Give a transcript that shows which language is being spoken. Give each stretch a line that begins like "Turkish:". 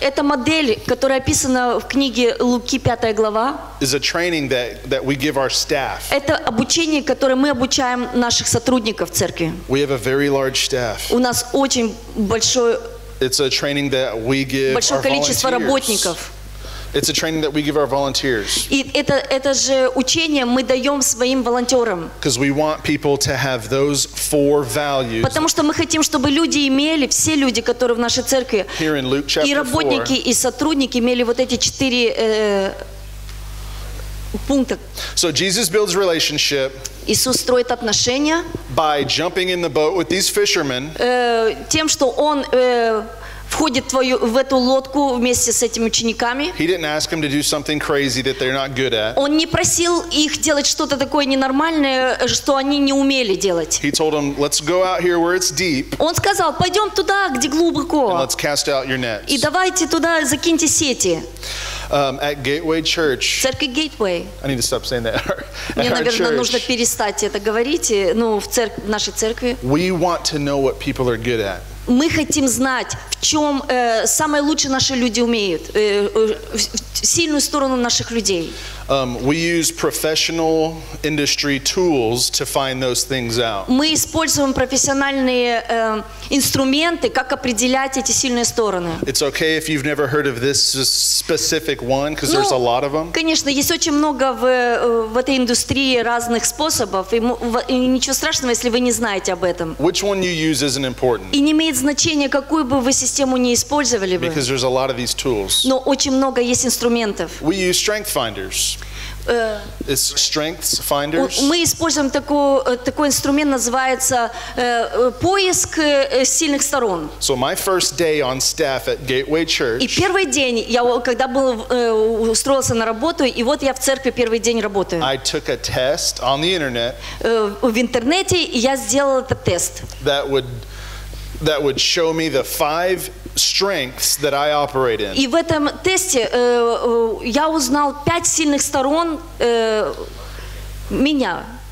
Russian: Эта модель, которая описана в книге Луки, 5 глава,
English: is a training that we give our staff.
Russian: Это обучение, которое мы обучаем наших сотрудников церкви.
English: We have a very large staff.
Russian: У нас очень большой
English: It's a training that we give
Russian: большое
English: our
Russian: количество
English: volunteers.
Russian: Работников.
English: It's a training that we give our volunteers.
Russian: И это же учение мы даем своим волонтерам.
English: Because we want people to have those four values.
Russian: Потому что мы хотим, чтобы люди имели, все люди, которые в нашей церкви,
English: here in Luke chapter
Russian: и работники,
English: 4.
Russian: И сотрудники имели вот эти четыре пункта.
English: So Jesus builds relationship.
Russian: Иисус строит отношения.
English: By jumping in the boat with these fishermen.
Russian: Тем, что он входит в эту лодку вместе с этими учениками.
English: He didn't ask them to do something crazy that they're not good at.
Russian: Он не просил их делать что-то такое ненормальное, что они не умели делать.
English: He told them, "Let's go out here where it's deep."
Russian: Он сказал, пойдем туда, где глубоко.
English: And let's cast out your nets.
Russian: И давайте туда закиньте сети.
English: At Gateway Church.
Russian: Церкви Gateway.
English: I need to stop saying that.
Russian: Мне, наверное, нужно перестать это говорить. Ну, в нашей церкви.
English: We want to know what people are good at.
Russian: Мы хотим знать, в чем самое лучшее наши люди умеют, сильную сторону наших людей.
English: We use professional industry tools to find those things out.
Russian: Мы используем профессиональные инструменты, как определять эти сильные стороны.
English: It's okay if you've never heard of this specific one, because there's a lot of them.
Russian: Конечно, есть очень много в этой индустрии разных способов, и ничего страшного, если вы не знаете об этом.
English: Which one you use isn't important.
Russian: И не имеет значения, какую бы вы систему не использовали бы.
English: Because there's a lot of these tools.
Russian: Но очень много есть инструментов.
English: We use strength finders. It's strengths finders.
Russian: Мы используем такой инструмент, называется поиск сильных сторон.
English: So my first day on staff at Gateway Church.
Russian: И первый день, я когда был устроился на работу, и вот я в церкви первый день работаю.
English: I took a test on the internet.
Russian: В интернете я сделал этот тест.
English: That would show me the five strengths that I operate in.
Russian: И в этом тесте я узнал пять сильных сторон меня.